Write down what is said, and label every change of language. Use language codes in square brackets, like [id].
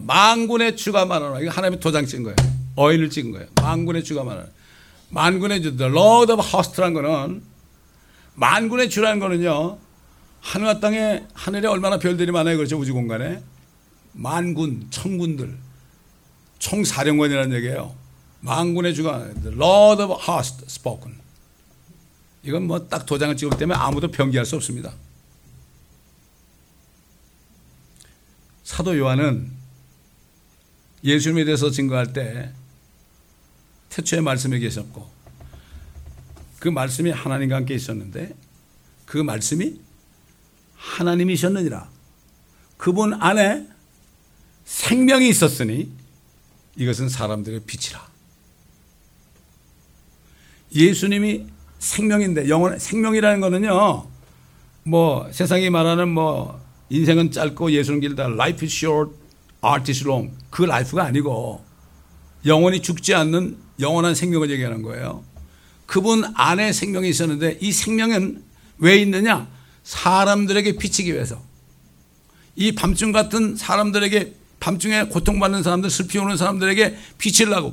[ko] 만군의 주가 말하노라. 이거 하나님이 도장 찍은 거예요. 어인을 찍은 거예요. 만군의 주가 말하노라. 만군의 주, The Lord of Hosts란 거는, 만군의 주라는 거는요, 하늘과 땅에, 하늘에 얼마나 별들이 많아요. 그렇죠. 우주 공간에. 만군, 천군들. 총사령관이라는 얘기예요. 만군의 주가, [en] The Lord of Hosts spoken. [ko] 이건 뭐 딱 도장을 찍을 때면 아무도 변기할 수 없습니다. 사도 요한은 예수님에 대해서 증거할 때 태초에 말씀이 계셨고 그 말씀이 하나님과 함께 있었는데 그 말씀이 하나님이셨느니라. 그분 안에 생명이 있었으니 이것은 사람들의 빛이라. 예수님이 생명인데 영원 생명이라는 거는요. 뭐 세상이 말하는 뭐 인생은 짧고 예수는 길다. [en] Life is short, art is long. [ko] 그 라이프가 아니고 영원히 죽지 않는 영원한 생명을 얘기하는 거예요. 그분 안에 생명이 있었는데 이 생명은 왜 있느냐? 사람들에게 비치기 위해서. 이 밤중 같은 사람들에게, 밤중에 고통받는 사람들, 슬피 우는 사람들에게 비치려고.